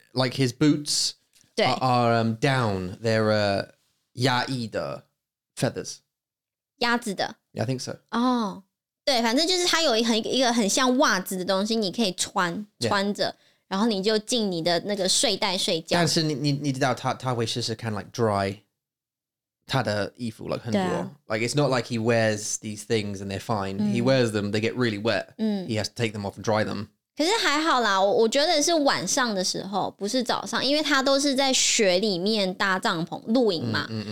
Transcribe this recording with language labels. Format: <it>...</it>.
<en>His boots are down. They're</en> <zh>鸭翼的</zh> <en>feathers.</en> <zh>鸭子的?</zh> <en>Yeah, I think so.</en> <zh>Oh, 对，反正就是他有一个很像袜子的东西，你可以穿着，然后你就进你的那个睡袋睡觉。但是你知道他会试试看</zh> <en>like dry</en> <zh>他的衣服，like 很多。</zh> <en>Like it's not like he wears these things and they're fine. He wears them, they get really wet. He has to take them off and dry them.</en> <zh>可是还好啦，我觉得是晚上的时候，不是早上，因为他都是在雪里面搭帐篷露营嘛。</zh>